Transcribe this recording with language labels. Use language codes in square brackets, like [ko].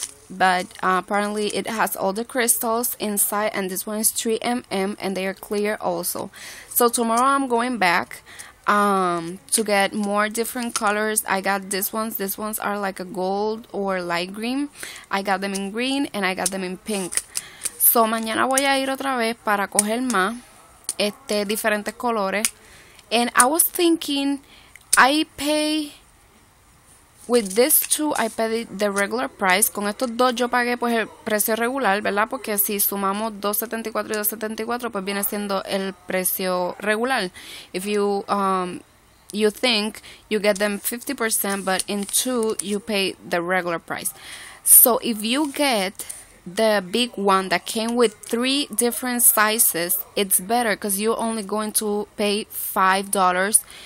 [en] But apparently it has all the crystals inside, and this one is 3mm and they are clear also. So tomorrow I'm going back to get more different colors. I got these ones. These ones are like a gold or light green. I got them in green and I got them in pink. [es] So mañana voy a ir otra vez para coger más diferentes colores. [en] And I was thinking I pay... With these two, I paid the regular price. [es] Con estos dos yo pagué pues el precio regular, ¿verdad? Porque si sumamos $2.74 y $2.74, pues viene siendo el precio regular. [en] If you you think you get them 50%, but in two you pay the regular price. So if you get the big one that came with three different sizes, it's better because you're only going to pay $5.